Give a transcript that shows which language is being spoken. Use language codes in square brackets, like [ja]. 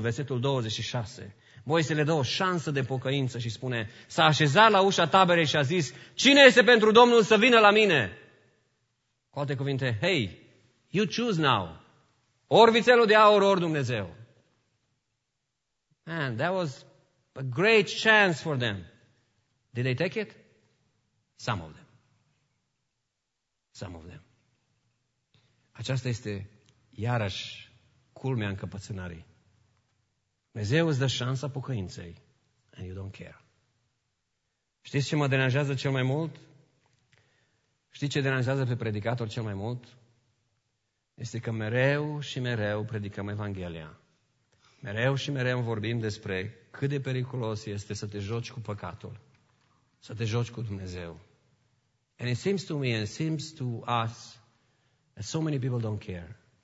[ro] Versetul 26. Moise le dă o șansă de pocăință și spune, s-a așezat la ușa taberei și a zis, cine este pentru Domnul să vină la mine? Cu alte cuvinte, [en] hey, you choose now. [ro] Ori vițelul de aur, ori Dumnezeu. [en] Man, that was a great chance for them. Did they take it? Some of them. [ro] Aceasta este iarăși culmea încăpățânării. Dumnezeu îți dă șansa pocăinței [en] and you don't care. [ro] Știți ce mă deranjează cel mai mult? Știți ce deranjează pe predicator cel mai mult? Este că mereu și mereu predicăm Evanghelia. Mereu și mereu vorbim despre cât de periculos este să te joci cu păcatul, să te joci cu Dumnezeu. [en] And it seems to me, and it seems to us, that so many people don't care.